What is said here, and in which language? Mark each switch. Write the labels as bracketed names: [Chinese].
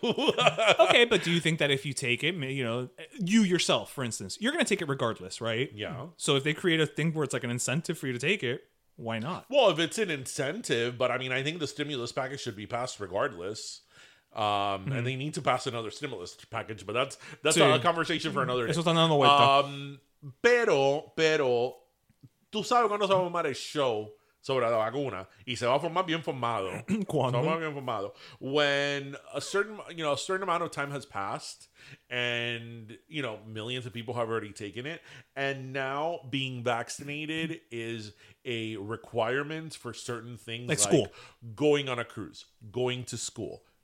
[English] Okay, but do you think that if you take it, you know, you yourself, for instance, you're going to take it regardless, right? Yeah. So if they create a thing where it's like an incentive for you to take it, why not? Well, if it's an incentive, but I mean, I think the stimulus package should be passed regardless. And they need to pass another stimulus package, but that's sí. A conversation for another day. [Spanish] Eso está dando vuelta. Pero, tú sabes cuando se va a formar el show sobre la vacuna y se va a formar bien formado. ¿Cuándo? Se va a formar bien formado. [English] When a certain amount of time has passed and, you know, millions of people have already taken it and now being vaccinated is a requirement for certain things like school, going on a cruise, going to school.